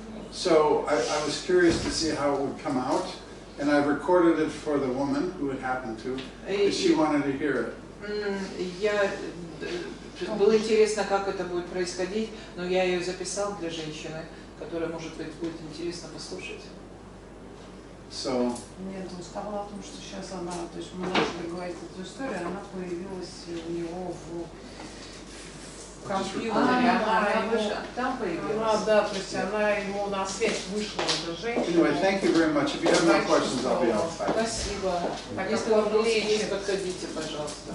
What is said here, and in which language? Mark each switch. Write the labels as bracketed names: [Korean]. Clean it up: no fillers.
[English] So I was curious to see how it would come out, and I recorded it for the woman who it happened to, because she wanted to hear it. [Russian] Я было интересно, как это будет происходить, но я ее записал для женщины, которая может быть будет интересно послушать. [English] So. [Russian] Нет, он сказал о том, что сейчас она, то есть мы начали говорить эту историю, она появилась у него в компьютере. Там появилась. Да, то есть она ему на связь вышла, эта женщина. [English] Anyway, thank you very much. If you have no questions, I'll be outside. [Russian] Спасибо. Если вам есть, подходите, пожалуйста.